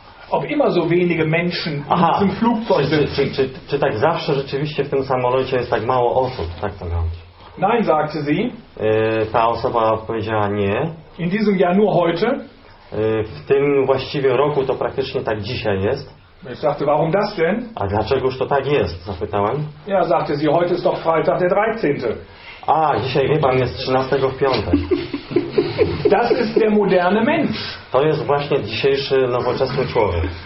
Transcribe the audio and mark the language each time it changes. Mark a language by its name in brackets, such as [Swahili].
[German] ob immer so wenige Menschen in diesem Flugzeug sind. [Polish] Czy tak zawsze rzeczywiście w tym samolocie jest tak mało osób, tak to miałeś? [German] Nein, sagte sie. [Polish] Ta osoba powiedziała nie. [German] In diesem Jahr nur heute. [Polish] W tym właściwie roku to praktycznie tak dzisiaj jest. [German] Ich sagte, warum das denn? [Polish] A dlaczegoż to tak jest? Zapytałem. [German] Ja, sagte sie, heute ist doch Freitag der 13. [Polish] A, dzisiaj wie pan jest 13 w piątek. [German] Das ist der moderne Mensch. [Polish] To jest właśnie dzisiejszy nowoczesny człowiek.